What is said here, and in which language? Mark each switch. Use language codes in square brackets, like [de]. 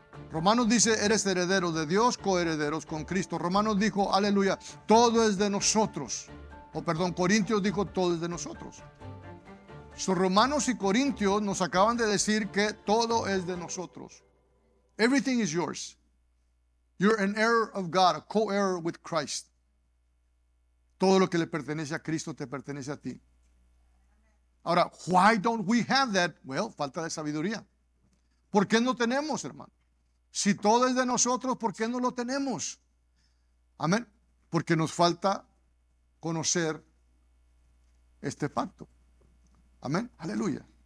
[es] Romanos dice, eres heredero de Dios, coherederos con Cristo. Romanos dijo, aleluya, todo es de nosotros. Corintios dijo, todo es de nosotros. Romanos y Corintios nos acaban de decir que todo es de nosotros. [en] Everything is yours. You're an heir of God, a co-heir with Christ. [es] Todo lo que le pertenece a Cristo te pertenece a ti. Ahora, [en] why don't we have that? [es] Well, falta de sabiduría. ¿Por qué no tenemos, hermano? Si todo es de nosotros, ¿por qué no lo tenemos? Amén. Porque nos falta conocer este pacto. Amén. Aleluya.